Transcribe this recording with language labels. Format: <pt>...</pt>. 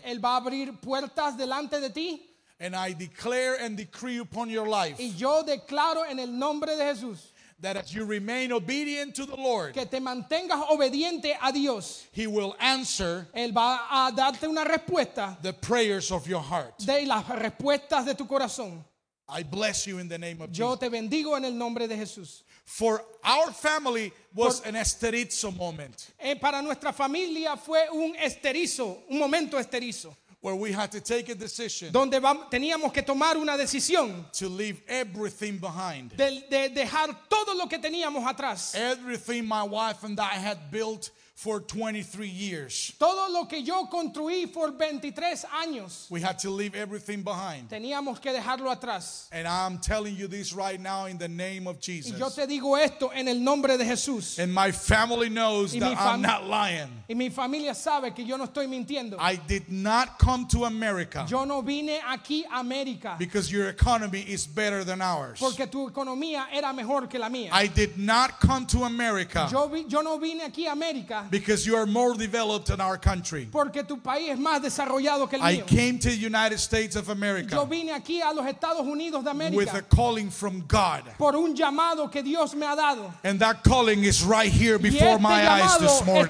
<es>Él va a abrir puertas delante de ti.</es> <en>And I declare and decree upon your life.</en> <es>Y yo declaro en el nombre de Jesús.</es> <en>That as you remain obedient to the Lord,</en> <es>que te mantengas obediente a Dios,</es> <en>He will answer</en> <es>él va a darte una respuesta,</es> <en>the prayers of your heart.</en> <es>De las respuestas de tu corazón.</es> <en>I bless you in the name of</en> <es>yo</es> <en>Jesus.</en> <es>Te bendigo en el nombre de Jesús.</es> <en>For our family was an esterizo moment.</en> <es>Para nuestra familia fue un esterizo, un momento esterizo.</es> <en>Where we had to take a decision.</en> <es>Donde teníamos que tomar una decisión.</es> <en>To leave everything behind.</en> <es>De dejar todo lo que teníamos atrás.</es> <en>Everything my wife and I had built for 23 years.</en> <es>Todo lo que yo construí por 23 años.</es> <en>We had to leave everything behind.</en> <es>Teníamos que dejarlo atrás.</es> <en>And I'm telling you this right now in the name of Jesus.</en> <es>Y yo te digo esto en el nombre de Jesús.</es> <en>And my family knows that I'm not lying.</en> <es>Y mi familia sabe que yo no estoy mintiendo.</es> <en>I did not come to America.</en> <es>Yo no vine aquí a América.</es> <en>Because your economy is better than ours.</en> <es>Porque tu economía era mejor que la mía.</es> <en>I did not come to America.</en> <es>Yo no vine aquí a América.</es> <en>Because you are more developed than our country.</en> <es>Porque tu país es más desarrollado que el mío.</es> <en>I came to the United States of America.</en> <es>Yo vine aquí a los Estados Unidos de América.</es> <en>With a calling from God.</en> <es>Por un llamado que Dios me ha dado.</es> <en>And that calling is right here before my eyes this morning.</en>